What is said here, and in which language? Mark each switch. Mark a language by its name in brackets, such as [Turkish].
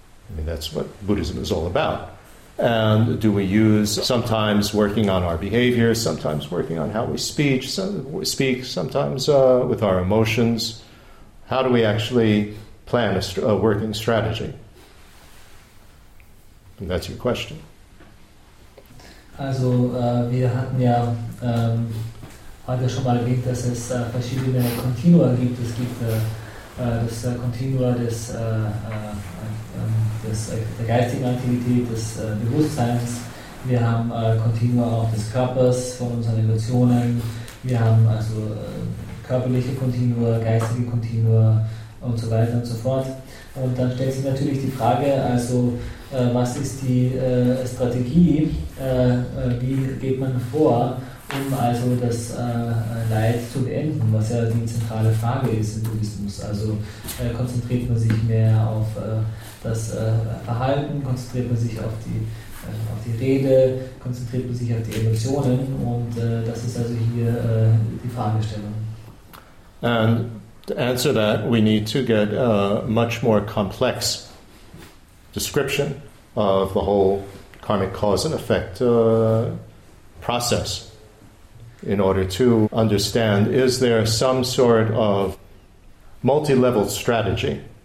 [English] I mean, that's what Buddhism is all about. And do we use sometimes working on our behavior, sometimes working on how we speak, sometimes with our emotions? How do we actually plan a working strategy? And that's your question. [German] Also, wir hatten ja heute schon mal erwähnt, dass es verschiedene Continua gibt. Es gibt das Continua des der geistigen Aktivität, des Bewusstseins. Wir haben Continua auch des Körpers, von unseren Emotionen. Wir haben also körperliche Continua, geistige Continua und so weiter und so fort. Und dann stellt sich natürlich die Frage, also was ist die Strategie, wie geht man vor, um also das Leid zu beenden, was ja die zentrale Frage ist im Buddhismus. Also konzentriert man sich mehr auf das Verhalten, konzentriert man sich auf die Rede, konzentriert man sich auf die Emotionen, und das ist also hier die Fragestellung. [English] And to answer that, we need to get a much more complex description of the whole karmic cause and effect process in order to understand, is there some sort of multi-level strategy?